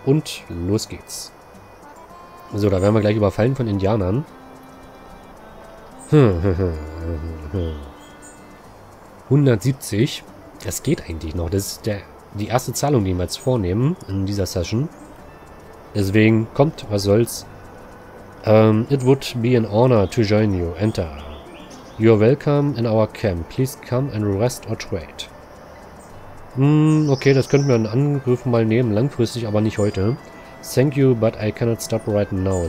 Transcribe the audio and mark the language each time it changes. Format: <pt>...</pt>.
<de>Und los geht's. So, da werden wir gleich überfallen von Indianern. Hm. 170. Das geht eigentlich noch. Das ist die erste Zahlung, die wir jetzt vornehmen in dieser Session. Deswegen, kommt, was soll's.</de> <en>It would be an honor to join you. Enter. You are welcome in our camp. Please come and rest or trade.</en> <de>Okay, das könnten wir in Angriff mal nehmen. Langfristig, aber nicht heute.</de> <en>Thank you, but I cannot stop right now.</en>